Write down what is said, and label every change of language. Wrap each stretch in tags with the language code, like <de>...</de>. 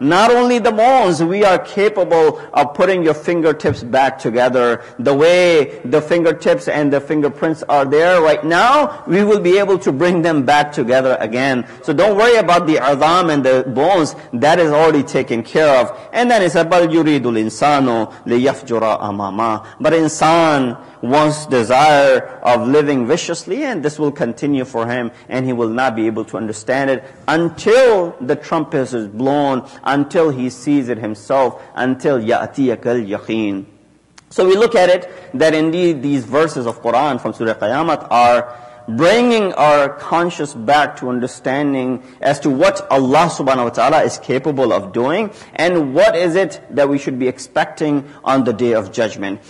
<en>Not only the bones, we are capable of putting your fingertips back together. The way the fingertips and the fingerprints are there right now, we will be able to bring them back together again. So don't worry about the azam and the bones. That is already taken care of. And then it says,</en> <ar>بَلْ يُرِيدُ الْإِنسَانُ لِيَفْجُرَ أَمَامَا.</ar> <en>But insan wants desire of living viciously, and this will continue for him, and he will not be able to understand it until the trumpet is blown, until he sees it himself, until</en> <ar>يَأْتِيَكَ الْيَقِينَ.</ar> <en>So we look at it that indeed these verses of Quran from Surah Qiyamat are bringing our conscious back to understanding as to what Allah subhanahu wa ta'ala is capable of doing and what is it that we should be expecting on the Day of Judgment.</en>